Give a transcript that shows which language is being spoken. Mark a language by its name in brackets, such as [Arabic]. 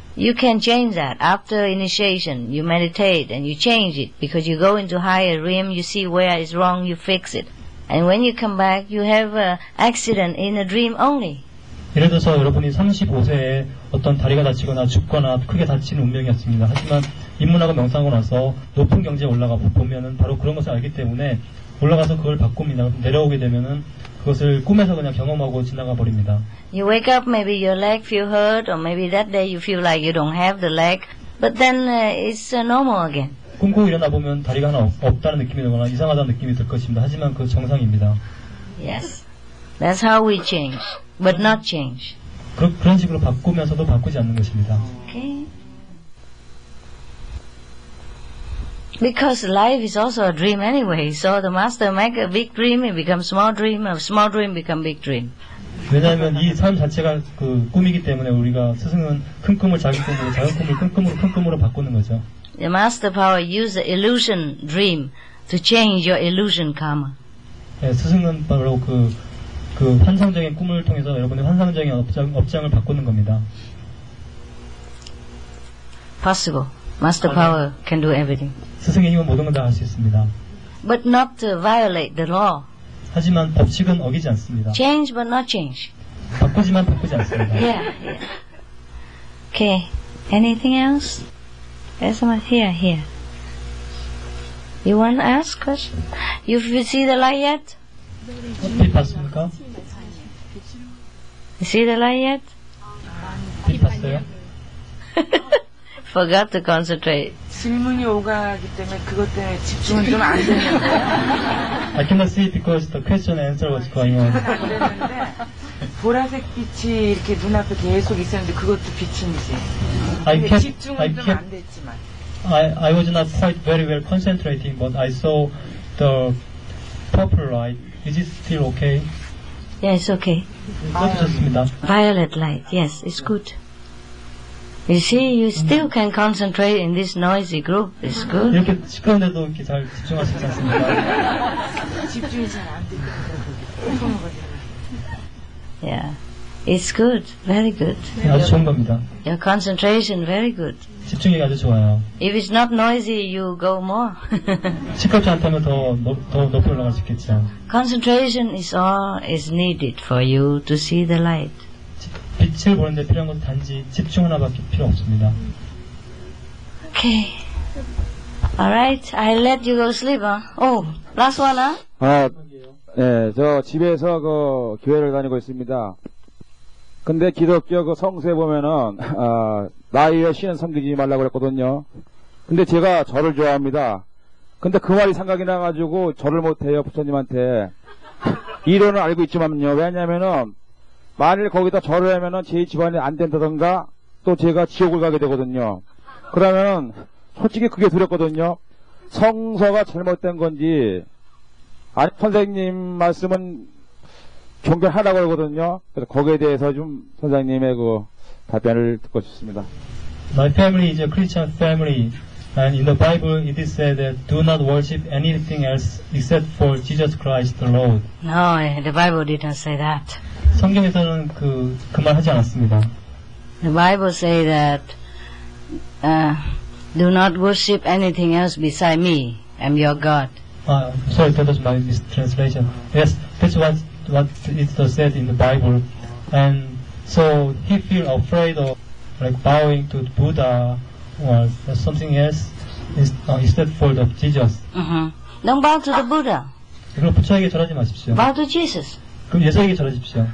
[English] You can change that. After initiation, you meditate and you change it because you go into higher realm, you see where is wrong, you fix it. And when you come back, you have an accident in a dream only. [Korean] 예를 들어서 여러분이 35세에 어떤 다리가 다치거나 죽거나 크게 다친 운명이었습니다. 하지만 입문하고 명상하고 나서 높은 경지에 올라가 보면은 바로 그런 것을 알기 때문에 올라가서 그걸 바꿉니다. 내려오게 되면은 그것을 꿈에서 그냥 경험하고 지나가 버립니다. [English] You wake up, maybe your leg feel hurt, or maybe that day you feel like you don't have the leg, but then it's normal again. [Korean] 꿈꾸고 일어나 보면 다리가 하나 없다는 느낌이 들거나 이상하다는 느낌이 들 것입니다. 하지만 그 정상입니다. [English] Yes, that's how we change. But not change. [Korean] 그런 식으로 바꾸면서도 바꾸지 않는 것입니다. [English] Okay. Because life is also a dream anyway. So the master make a big dream, it becomes small dream, a small dream become big dream. [Korean] 왜냐하면 이 삶 자체가 그 꿈이기 때문에 우리가 스승은 큰 꿈을 작은 꿈으로, 작은 꿈을 큰 꿈으로 바꾸는 거죠. [English] The master power use illusion dream to change your illusion karma. [Korean] 예, 스승은 바로 그 환상적인 꿈을 통해서 여러분의 환상적인 업장을 바꾸는 겁니다. [English] Possible. Master power can do everything. [Korean] 스승의 힘은 모든 걸 다 할 수 있습니다. [English] But not to violate the law. [Korean] 하지만 법칙은 어기지 않습니다. [English] Change but not change. [Korean] 바꾸지만 바꾸지 않습니다. [English] Yeah, yeah. Okay. Anything else? There's someone here, here. You want to ask question? You see the light yet? [Korean] 빛 봤습니까? [English] You see the light yet? [Korean] 빛 봤어요? [English] Forgot to concentrate. [Korean] 질문이 오가기 때문에 그것 때문에 집중은 좀 안 돼요. [English] I cannot see because the question and answer was going on. [Korean] 안 되는데 보라색 빛이 이렇게 눈앞에 계속 있었는데 그것도 빛인지. [English] I kept, [Korean] 집중은 좀 안 됐지만. [English] I was not quite very well concentrating, but I saw the purple light. Is it still okay? Yeah, it's okay. [Korean] 그것도 좋습니다. [English] Violet light. Yes, it's good. You see, you still can concentrate in this noisy group. It's good. [Korean] 이렇게 시끄러운데도 이렇게 잘 집중할 수 있지 않습니까? 집중이 잘 안 되니까. [English] Yeah, it's good. Very good. [Korean] 네, 아주 좋은 겁니다. [English] Your concentration very good. [Korean] 집중이 아주 좋아요. [English] If it's not noisy, you go more. [Korean] 시끄럽지 않다면 더 높이 올라갈 수 있겠죠. [English] Concentration is all is needed for you to see the light. [Korean] 빛을 보는데 필요한 것은 단지 집중 하나밖에 필요 없습니다. [English] Okay. Alright, I'll let you go sleep. Oh, last one, huh? [Korean] 아, 네, 저 집에서 그 교회를 다니고 있습니다. 근데 기독교 그 성서에 보면은, 아, 나의 신은 섬기지 말라고 그랬거든요. 근데 제가 절을 좋아합니다. 근데 그 말이 생각이 나가지고 절을 못해요, 부처님한테. 이론은 알고 있지만요. 왜냐면은, 만일 거기다 절을 하면은 제 집안이 안 된다던가 또 제가 지옥을 가게 되거든요. 그러면은 솔직히 그게 두렵거든요. 성서가 잘못된 건지 아니 선생님 말씀은 존경하라고 그러거든요. 그래서 거기에 대해서 좀 선생님의 그 답변을 듣고 싶습니다. [English] My family is a Christian family and in the Bible it is said that do not worship anything else except for Jesus Christ the Lord. No, the Bible didn't say that. [Korean] 성경에서는 그 말 하지 않았습니다. [English] The Bible say that do not worship anything else beside me. I'm your God. Sorry, that was my mistranslation. Yes, that's what it says in the Bible. And so he feel afraid of like bowing to Buddha or something else instead for the Jesus. Uh-huh. Don't bow to the Buddha. [Korean] 그럼 부처에게 절하지 마십시오. [English] Bow to Jesus. [Korean] 그럼 예수에게 절하십시오.